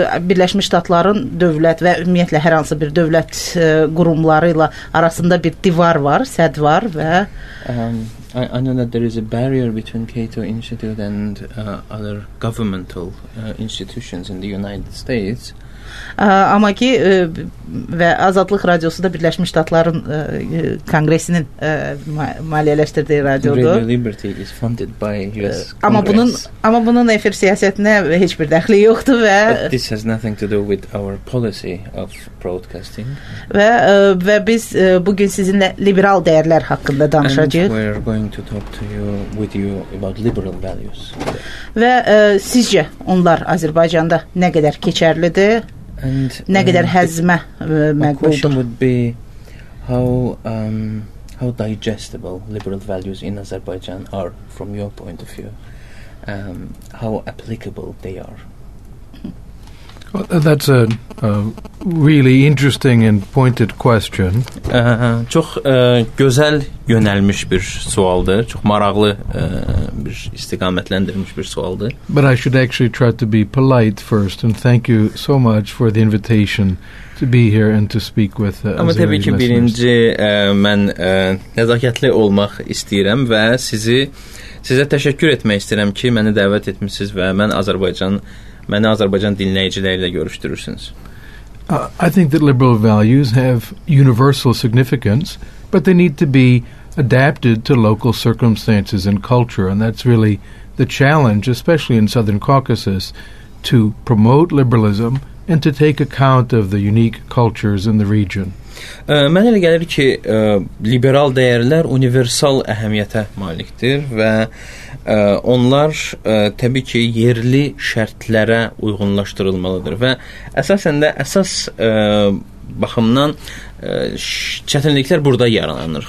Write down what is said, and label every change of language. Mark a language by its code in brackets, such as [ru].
[az] Birləşmiş Ştatların dövlət və ümumiyyətlə hər hansı bir dövlət qurumları ilə arasında bir divar var, sədd var və [en] I know that there is a barrier between Cato Institute and other governmental institutions in the United States. [az] Amma ki və Azadlıq Radiosu da Birləşmiş Ştatların Kongresinin maliyyələşdirdiyi radiodur. [en] Radio Liberty is funded by US Congress. [az] Amma bunun efir siyasətinə heç bir dəxli yoxdur və [en] But this has nothing to do with our policy of broadcasting. [az] Və biz bugün sizinlə liberal dəyərlər haqqında danışacağıq. [en] We are going to talk to you with you about liberal values. [az] Və sizcə onlar Azərbaycanda nə qədər keçərlidir? [en] And [az] nə qədər həzmə məqbuldur. [en] Question would be how digestible liberal values in Azerbaijan are from your point of view. How applicable they are. Well, that's a really interesting and pointed question. [az] Çox gözəl yönəlmiş bir sualdır. Çox maraqlı bir istiqamətləndirilmiş bir sualdır. [en] But I should actually try to be polite first and thank you so much for the invitation to be here and to speak with Azeri listeners. [az] Amma təbii ki, birinci mən nəzakətli olmaq istəyirəm və sizə təşəkkür etmək istəyirəm ki, məni dəvət etmişsiniz və məni Azərbaycan dinləyiciləri ilə görüşdürürsünüz. [en] I think that liberal values have universal significance, but they need to be adapted to local circumstances and culture, and that's really the challenge, especially in Southern Caucasus, to promote liberalism and to take account of the unique cultures in the region. [az] Mənə elə gəlir ki, liberal dəyərlər universal əhəmiyyətə malikdir və onlar təbii ki, yerli şərtlərə uyğunlaşdırılmalıdır və əsasən də əsas baxımdan çətinliklər burada yaranır.